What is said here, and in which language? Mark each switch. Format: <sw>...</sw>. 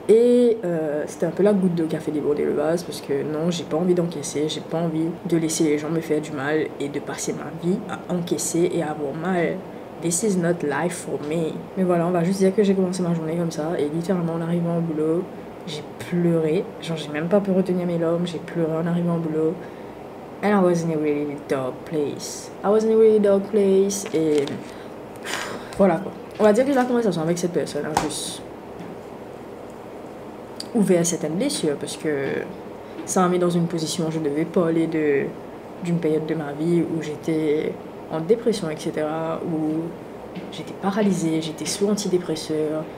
<fr>Et c'était un peu la goutte d'eau qui a fait déborder le vase, parce que non, j'ai pas envie d'encaisser, j'ai pas envie de laisser les gens me faire du mal et de passer ma vie à encaisser et à avoir mal.</fr> <en>This is not life for me.</en> <fr>Mais voilà, on va juste dire que j'ai commencé ma journée comme ça, et littéralement en arrivant au boulot, j'ai pleuré. Genre j'ai même pas pu retenir mes larmes, j'ai pleuré en arrivant au boulot.</fr> <en>And I was in a really dark place.</en> <fr>Et voilà quoi. On va dire que la conversation avec cette personne a juste ouvert certaines blessures parce que ça m'a mis dans une position où je ne devais pas aller d'une période de ma vie où j'étais en dépression, etc. Où j'étais paralysée, j'étais sous antidépresseur.</fr>